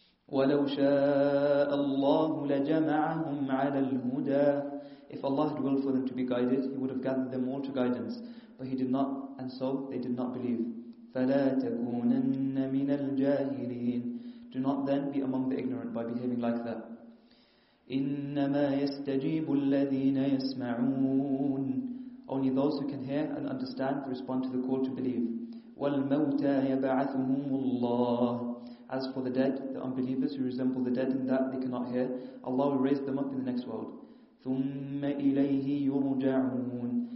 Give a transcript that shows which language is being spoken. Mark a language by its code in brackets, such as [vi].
[ar] وَلَوْ شَاءَ اللَّهُ لَجَمَعَهُمْ عَلَى الْهُدَى. [en] If Allah had willed for them to be guided, He would have gathered them all to guidance, but He did not, and so they did not believe. [ar] فَلَا تَكُونَنَّ مِنَ الْجَاهِلِينَ. [en] Do not then be among the ignorant by behaving like that. [ar] إنما يستجيب الذين يسمعون. [en] Only those who can hear and understand respond to the call to believe. [ar] والموتى يبعثهم الله. [en] As for the dead, the unbelievers who resemble the dead in that they cannot hear, Allah will raise them up in the next world. [ar] ثم إليه يرجعون.